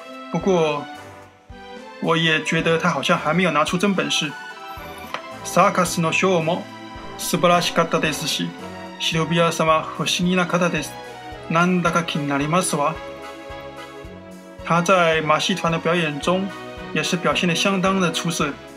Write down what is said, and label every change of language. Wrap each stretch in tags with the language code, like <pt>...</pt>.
<zh>不过，我也觉得他好像还没有拿出真本事。</zh> <ja>サーカスのショーも素晴らしかったですし、シルビア様不思議な方です。なんだか気になりますわ。</ja> <zh>他在马戏团的表演中也是表现得相当的出色。</zh>